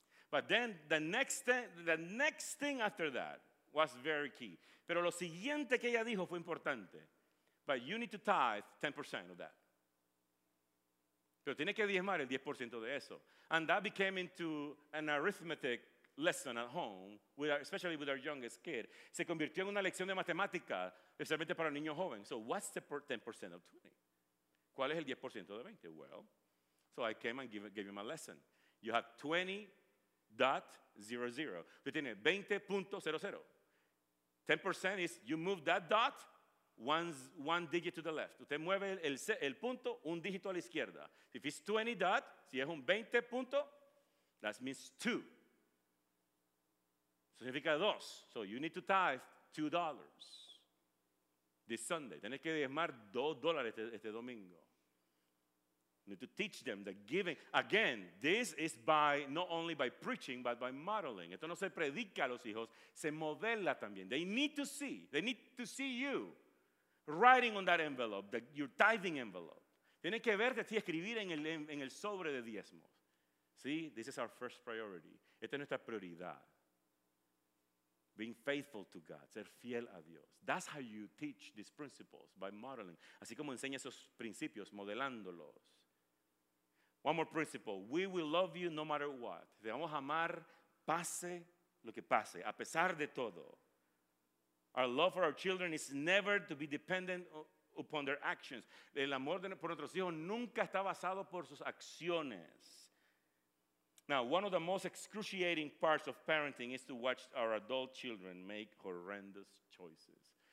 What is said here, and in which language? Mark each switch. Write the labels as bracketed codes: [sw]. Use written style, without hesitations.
[en] But then the next thing after that was very key. [es] Pero lo siguiente que ella dijo fue importante. [en] But you need to tithe 10% of that. [es] Pero tiene que diezmar el 10% de eso. [en] And that became into an arithmetic lesson at home, especially with our youngest kid. [es] Se convirtió en una lección de matemática, especialmente para un niño joven. [en] So what's the 10% of 20? [es] ¿Cuál es el 10% de 20? [en] Well, so I came and gave him a lesson. You have 20.00. [es] Usted tiene 20.00. [en] 10% is you move that dot one digit to the left. [es] Usted mueve el punto un dígito a la izquierda. [en] If it's 20 dot, [es] si es un 20 punto, [en] that means 2. [es] Significa 2. [en] So you need to tithe $2 this Sunday. [es] Tienes que diezmar $2 este domingo. [en] Need to teach them the giving. Again, this is by not only by preaching, but by modeling. [es] Esto no se predica a los hijos, se modela también. [en] They need to see you writing on that envelope, your tithing envelope. [es] Tienen que verte así escribir en el sobre de diezmos. [en] See, this is our first priority. [es] Esta es nuestra prioridad. [en] Being faithful to God, [es] ser fiel a Dios. [en] That's how you teach these principles, by modeling. [es] Así como enseña esos principios, modelándolos. [en] One more principle, we will love you no matter what. [es] Te vamos a amar pase lo que pase, a pesar de todo. [en] Our love for our children is never to be dependent upon their actions. [es] El amor por nuestros hijos nunca está basado por sus acciones. [en] Now, one of the most excruciating parts of parenting is to watch our adult children make horrendous choices.